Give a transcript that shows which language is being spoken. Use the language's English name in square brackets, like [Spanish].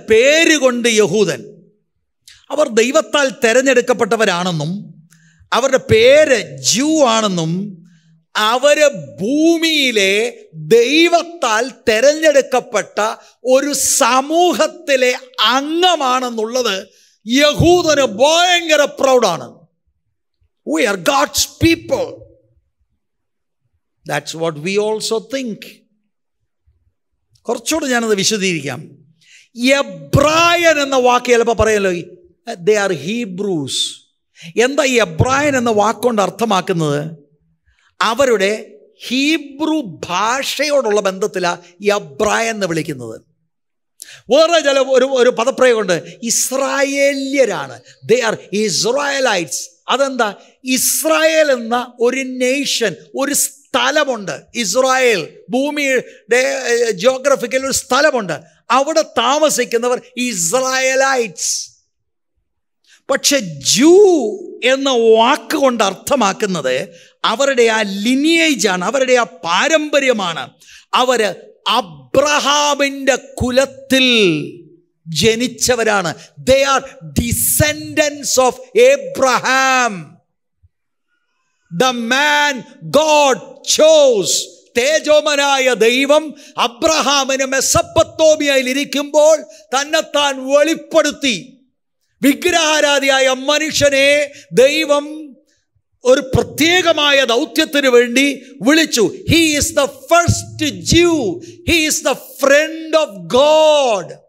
[Malayalam] പേരുകൊണ്ട് യഹൂദൻ, അവർ ദൈവത്താൽ തെരഞ്ഞെടുക്കപ്പെട്ടവരാണെന്നും അവരുടെ പേര് ജൂ ആണെന്നും അവര് ഭൂമിയിലെ ദൈവത്താൽ തെരഞ്ഞെടുക്കപ്പെട്ട ഒരു സമൂഹത്തിലെ അംഗമാണെന്നുള്ളത് യഹൂദന് ഭയങ്കര പ്രൗഡാണ്. [English] We are God's people. That's what we also think. [Malayalam] കുറച്ചുകൂടെ ഞാനത് വിശദീകരിക്കാം. എബ്രായൻ എന്ന വാക്ക് ചിലപ്പോൾ പറയല്ലോ, [English] they are Hebrews. [Malayalam] എന്താ ഈ എബ്രായൻ എന്ന വാക്കുകൊണ്ട് അർത്ഥമാക്കുന്നത്? അവരുടെ ഹീബ്രു ഭാഷയോടുള്ള ബന്ധത്തിലാണ് ഈ എബ്രായൻ എന്ന് വിളിക്കുന്നത്. വേറെ ചില ഒരു പദപ്രയോഗമുണ്ട്, ഇസ്രായേല്യരാണ്. [English] They are Israelites. [Malayalam] അതെന്താ? ഇസ്രായേൽ എന്ന ഒരു നേഷൻ, ഒരു സ്ഥലമുണ്ട്. ഇസ്രായേൽ ഭൂമിയുടെ ജിയോഗ്രഫിക്കൽ ഒരു സ്ഥലമുണ്ട്. അവിടെ താമസിക്കുന്നവർ ഇസ്രായേലൈറ്റ്സ്. പക്ഷെ ജൂ എന്ന വാക്കുകൊണ്ട് അർത്ഥമാക്കുന്നത് അവരുടെ ആ ലിനിയേജാണ്, അവരുടെ ആ പാരമ്പര്യമാണ്. അവർ അബ്രഹാമിൻ്റെ കുലത്തിൽ ജനിച്ചവരാണ്. [English] They are descendants of Abraham, the man God chose. [Malayalam] തേജോമനായ ദൈവം അബ്രഹാമിന് മെസപ്പത്തോമിയയിൽ ഇരിക്കുമ്പോൾ തന്നെത്താൻ വെളിപ്പെടുത്തി. വിഗ്രഹാരാധിയായ മനുഷ്യനെ ദൈവം ഒരു പ്രത്യേകമായ ദൗത്യത്തിന് വേണ്ടി വിളിച്ചു. [English] He is the first Jew. He is the friend of God.